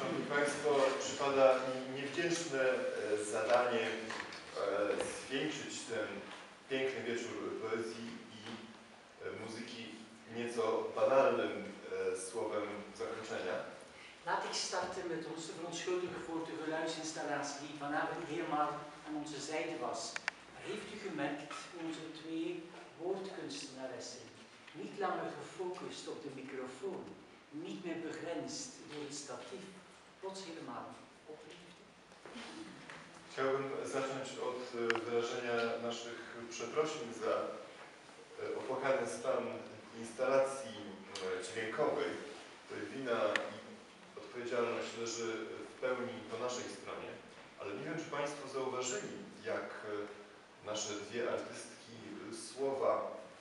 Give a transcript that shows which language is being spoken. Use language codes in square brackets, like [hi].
[pl] Państwo, przypada mi niewdzięczne zadanie zwiększyć tę piękny wieczór poezji i muzyki nieco banalnym słowem zakończenia. [nl] Laat ik starten met ons te verontschuldigen voor de geluidsinstallatie die vanavond helemaal aan onze zijde was. Maar heeft u gemerkt, onze twee woordkunstenaressen, niet langer gefocust op de microfoon, niet meer begrensd door het statief, plots helemaal opgeliefde? Ik zou [pl] zacząć od wyrażenia naszych przeprosin za opłakany stan instalacji dźwiękowej, wina i odpowiedzialność leży w pełni po naszej stronie, ale nie wiem, czy Państwo zauważyli, jak nasze dwie artystki słowa,